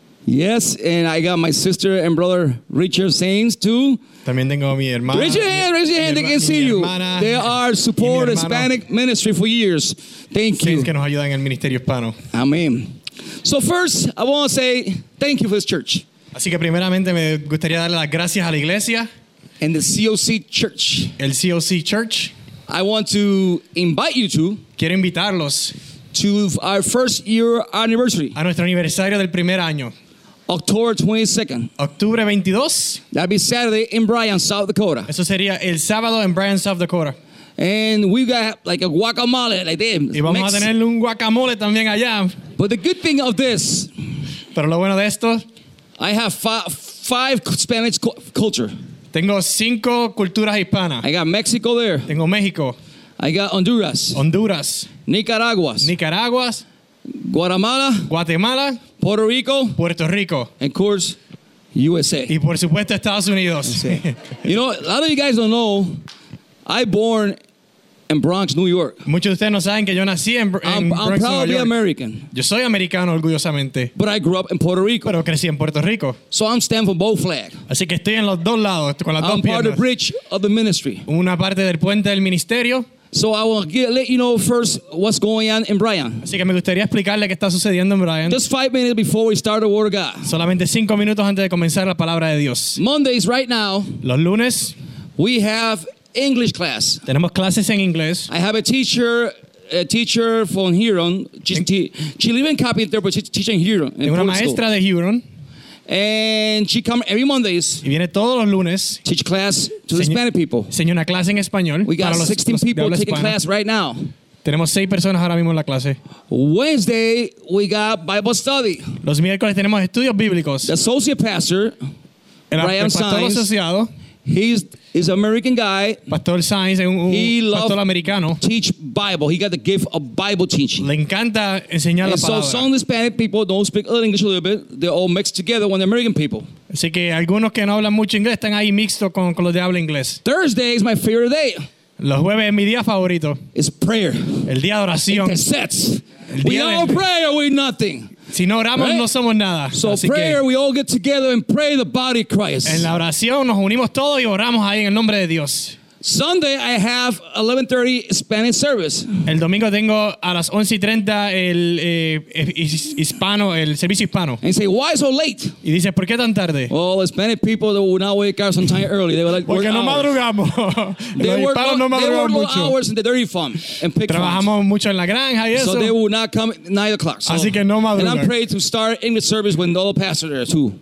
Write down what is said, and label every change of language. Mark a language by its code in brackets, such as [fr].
[en] Yes, and I got my sister and brother Richard Sainz too. [es] También tengo mi hermana. [en] Raise your hand, they can see you. They are support Hispanic ministry for years. Thank you. [es] Que nos ayudan en el ministerio hispano. [en] Amen. So first, I want to say thank you for this church. [es] Así que primeramente me gustaría darle las gracias a la iglesia. [en] And the COC Church. [es] El COC Church. [en] I want to invite you to. [es] Quiero invitarlos. [en] To our first year anniversary. [es] A nuestro aniversario del primer año. [en] October 22nd. [es] Octubre 22. [en] That'd be Saturday in Bryan, South Dakota. [es] Eso sería el sábado en Bryan, South Dakota. [en] And we got like a guacamole like this. [es] Y vamos a tener un guacamole también allá. [en] But the good thing of this. [es] Pero lo bueno de esto. [en] I have five Spanish culture. [es] Tengo cinco culturas hispanas. [en] I got Mexico there. [es] Tengo México. [en] I got Honduras. [es] Honduras. [en] Nicaragua. Guatemala. [es] Guatemala. [en] Puerto Rico. [es] Puerto Rico. [en] And of course, USA. [es] Y por supuesto, Estados Unidos. [en] You know, a lot of you guys don't know, I born in Bronx, New York. [es] Muchos de ustedes no saben que yo nací en Bronx, [en] New York. I'm proudly American. [es] Yo soy americano, orgullosamente. [en] But I grew up in Puerto Rico. [es] Pero crecí en Puerto Rico. [en] So I'm standing for both flags. [es] Así que estoy en los dos lados, con las dos piernas. [en] I'm part of the bridge of the ministry. [es] Una parte del puente del ministerio. [en] So I will let you know first what's going on in Bryan. [es] Así que me gustaría explicarle qué está sucediendo en Bryan. [en] Just 5 minutes before we start the Word of God. [es] Solamente 5 minutos antes de comenzar la palabra de Dios. [en] Mondays right now. [es] Los lunes. [en] We have English class. [es] Tenemos clases en inglés. [en] I have a teacher from Huron. She lives in Carpinter, but she's teaching Huron. [es] Tengo una maestra de Huron. [en] And she comes every Mondays. [es] Y viene todos los lunes. [en] Teach class to the Hispanic people. [es] Enseña una clase en español. [en] We got 16 people taking class right now. [es] Tenemos 6 personas ahora mismo en la clase. [en] Wednesday we got Bible study. [es] Los miércoles tenemos estudios bíblicos. [en] The associate pastor, [es] Brian Sainz, el pastor asociado, [en] He's an American guy. [es] Pastor Sainz es un pastor americano. [en] He loves teach Bible. He got the gift of Bible teaching. [es] Le encanta enseñar la palabra. [en] So some Hispanic people don't speak English a little bit. They're all mixed together with the American people. [es] Así que algunos que no hablan mucho inglés están ahí mixto con los de habla inglés. [en] Thursday is my favorite day. [es] Los jueves es mi día favorito. [en] It's prayer. [es] El día de oración. [en] Intercedes. Without prayer, we nothing. [es] Si no oramos, [en] right? [es] No somos nada. [en] So [es] así [en] prayer, [es] que, [en] we all get together and pray the body of Christ. [es] En la oración nos unimos todos y oramos ahí en el nombre de Dios. [en] Sunday, I have 11:30 Spanish service. [es] El domingo tengo a las 11:30 el servicio hispano. [en] And say, why so late? [es] Y dice, ¿por qué tan tarde? [en] Well, the Spanish people, they would not wake up sometime early. They were like, [es] porque no madrugamos. [en] They were hours in the dairy farm and pick [es] trabajamos [en] farms. [es] Mucho en la granja y eso. [en] So they would not come at 9 o'clock. So, [es] así que no madrugamos. [en] And I'm praying to start English service when all the pastors are too.